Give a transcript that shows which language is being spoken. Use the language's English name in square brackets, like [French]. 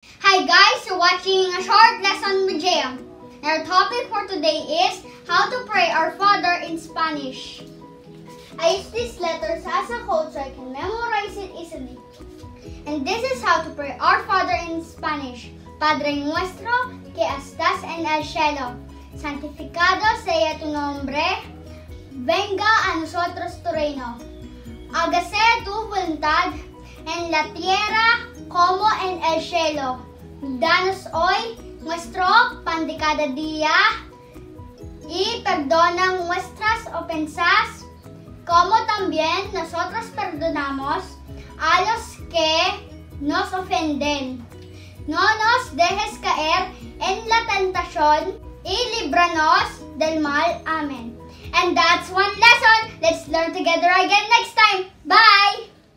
[English] Hi guys, you're watching a short lesson with Jam. Our topic for today is how to pray our Father in Spanish. I use these letters as a code so I can memorize it easily. And this is how to pray our Father in Spanish. [Spanish] Padre Nuestro, que estás en el cielo, santificado sea tu nombre, venga a nosotros tu reino, hágase tu voluntad en la tierra como en el cielo. Danos hoy nuestro pan de cada día y perdona nuestras ofensas como también nosotros perdonamos a los que nos ofenden. No nos dejes caer en la tentación y líbranos del mal. [English] Amen. And that's one lesson. Let's learn together again next time. Bye!